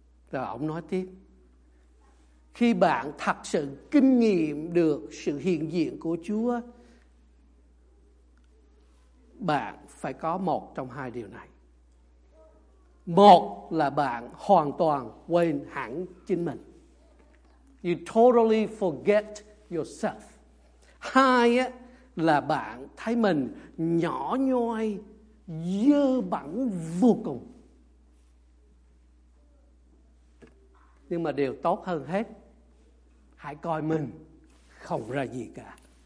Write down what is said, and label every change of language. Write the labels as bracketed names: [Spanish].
[Vietnamese] Rồi ông nói tiếp: khi bạn thật sự kinh nghiệm được sự hiện diện của Chúa, bạn phải có một trong hai điều này. Một là bạn hoàn toàn quên hẳn chính mình. [English] You totally forget yourself. [Vietnamese] Hai là bạn thấy mình nhỏ nhoi, dơ bẩn vô cùng. Nhưng mà điều tốt hơn hết, hãy coi mình không ra gì cả.